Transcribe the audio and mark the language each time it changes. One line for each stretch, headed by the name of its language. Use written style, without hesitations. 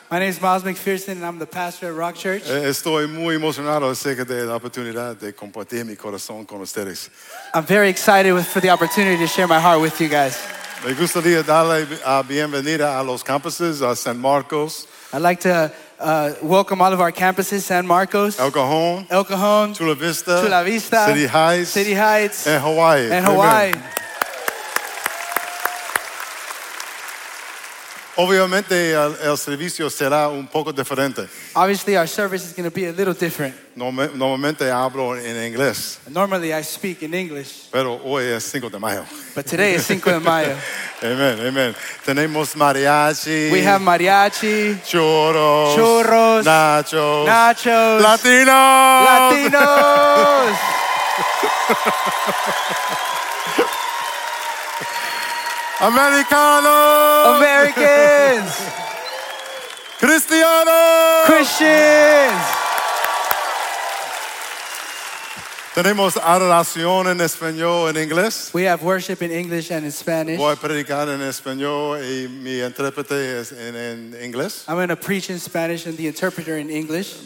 English: My name is Miles McPherson, and I'm the pastor at Rock Church.
Spanish: Estoy muy emocionado acerca de la oportunidad de compartir mi corazón con ustedes.
English: I'm very excited for the opportunity to share my heart with you guys.
Spanish: Me gustaría darle bienvenida a los campuses, a San Marcos.
English: I'd like to welcome all of our campuses, San Marcos, El Cajon, Chula Vista, City Heights, and Hawaii.
Spanish: Obviamente, el servicio será un poco diferente.
English: Obviously, our service is going to be a little different.
Spanish: Normalmente, hablo en inglés.
English: Normally, I speak in English.
Spanish: Pero hoy es Cinco de Mayo.
English: But today is Cinco de Mayo.
Spanish: Amen, amen. Tenemos mariachi.
English: We have mariachi. Churros. Nachos. Latinos. Americans! Christians!
Spanish: Tenemos adoración en español en inglés.
English: We have worship in English and in Spanish.
Spanish: Voy a predicar en español y mi intérprete es en inglés.
English: I'm going to preach in Spanish and the interpreter in English.